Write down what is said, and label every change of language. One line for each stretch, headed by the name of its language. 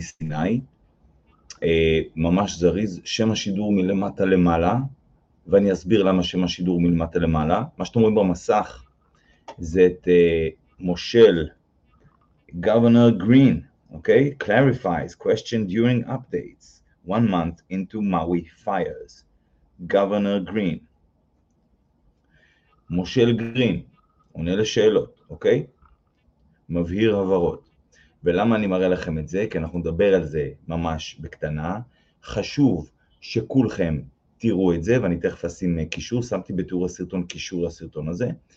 Hebrew: סיני, ממש זריז, שם השידור מלמטה למעלה, ואני אסביר למה שם השידור מלמטה למעלה. מה שאתם רואים במסך זה את מושל גוברנר גרין, אוקיי?
English: Clarifies question during updates one month into Maui fires.
Hebrew: גוברנר גרין. מושל גרין עונה לשאלות, אוקיי? מבהיר הברות. ולמה אני מראה לכם את זה? כי אנחנו נדבר על זה ממש בקטנה. חשוב שכולכם תראו את זה, ואני תכף אשים קישור, שמתי בתיאור הסרטון קישור לסרטון הזה.